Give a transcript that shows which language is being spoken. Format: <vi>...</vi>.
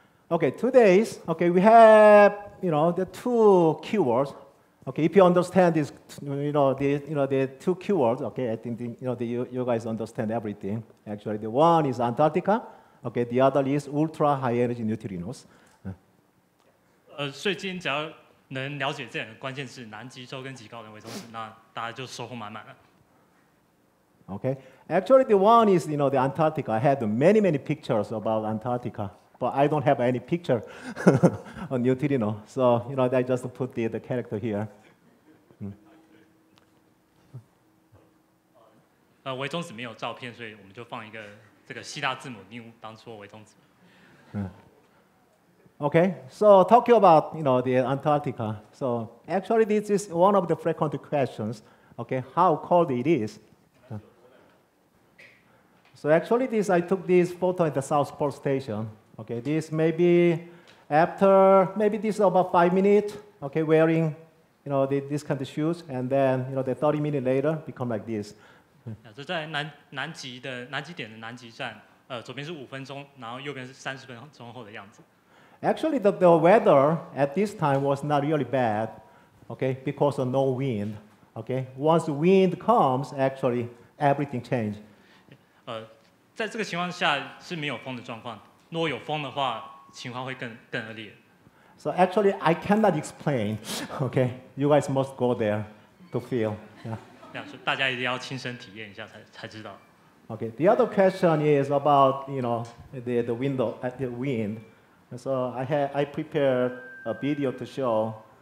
<en>Okay, 2 days, okay, we have, you know, the two keywords. Okay, if you understand this, the two keywords, okay, I think, you guys understand everything. Actually, the one is Antarctica, okay, the other is ultra-high energy neutrinos.</en> <zh>所以今天只要能了解这两个关键词，南极洲跟极高能微中子，那大家就收获满满了。</zh> <en>Okay, actually, the one is, you know, the Antarctica. I had many, many pictures about Antarctica. But I don't have any picture on neutrino. So, you know, I just put the character here.</en> <zh>微中子没有照片，所以我们就放一个这个希腊字母 mu 当做微中子。</zh> <en>Okay, so talking about, you know, the Antarctica. So actually this is one of the frequent questions. Okay, how cold it is. So actually this, I took this photo at the South Pole Station. Okay, this may be after, maybe this is about 5 minutes, okay, wearing, you know, this kind of shoes, and then, you know, the 30 minutes later, become like this. Yeah, so in</en> <zh>南极点的南极站, 左边是 5分钟, 然后右边是30分钟后的样子。</zh> <en>Actually, the weather at this time was not really bad, okay, because of no wind, okay. Once the wind comes, actually, everything changed.</en> <zh>在这个情况下是没有风的状况。如果有风的话，情况会更恶劣。</zh> <en>So actually, I cannot explain. Okay, you guys must go there to feel. Yeah.</en> <zh>大家一定要亲身体验一下才知道。</zh> <en>Okay, the other question is about, you know, the window at the wind. So I prepared a video to show.</en>